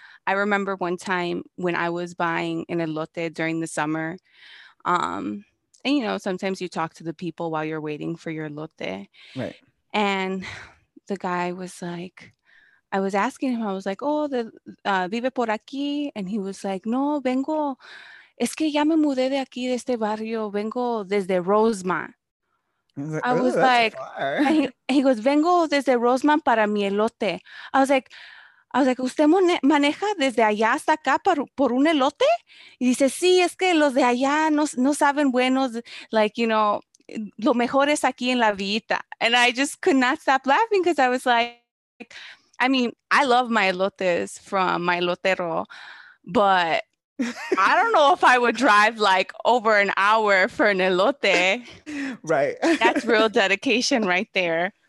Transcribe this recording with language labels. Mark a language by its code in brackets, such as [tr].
[en] I remember one time when I was buying an elote during the summer. And, you know, sometimes you talk to the people while you're waiting for your elote. Right. And the guy was like, I was asking him, I was like, oh, the [es] vive por aquí. [en] And he was like, [es] no, vengo. Es que ya me mudé de aquí, de este barrio. Vengo desde Rosemont. [en] I was like, he goes, [es] vengo desde Rosemont para mi elote. [en] I was like, [es] ¿usted maneja desde allá hasta acá por un elote? Y dice, sí, es que los de allá no saben buenos, [en] like, you know, [es] lo mejor es aquí en La Vita. [en] And I just could not stop laughing because I was like, I mean, I love my elotes from my elotero, but I don't know if I would drive like over an hour for an elote. Right. That's real dedication right there.